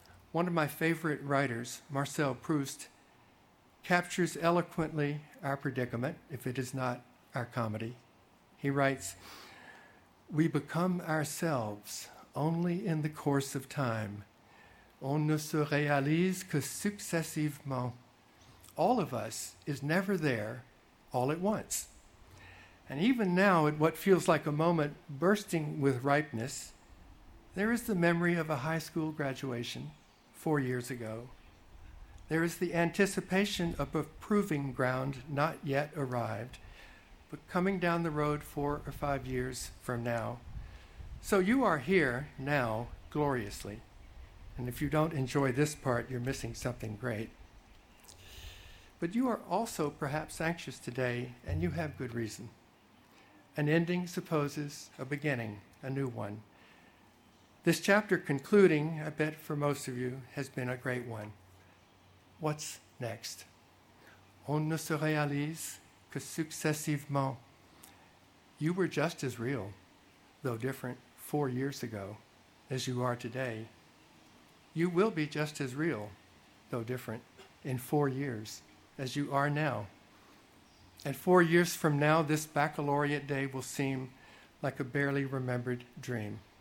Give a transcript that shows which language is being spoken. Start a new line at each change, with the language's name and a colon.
English: One of my favorite writers, Marcel Proust, captures eloquently our predicament, if it is not our comedy. He writes, "We become ourselves only in the course of time.
French: On ne se réalise que successivement.
English: All of us is never there all at once." And even now, at what feels like a moment bursting with ripeness, there is the memory of a high school graduation 4 years ago. There is the anticipation of a proving ground not yet arrived, but coming down the road 4 or 5 years from now. So you are here now, gloriously. And if you don't enjoy this part, you're missing something great. But you are also perhaps anxious today, and you have good reason. An ending supposes a beginning, a new one. This chapter concluding, I bet for most of you, has been a great one. What's next?
French: On ne se réalise que successivement.
English: You were just as real, though different, 4 years ago, as you are today. You will be just as real, though different, in 4 years, as you are now. And 4 years from now, this baccalaureate day will seem like a barely remembered dream.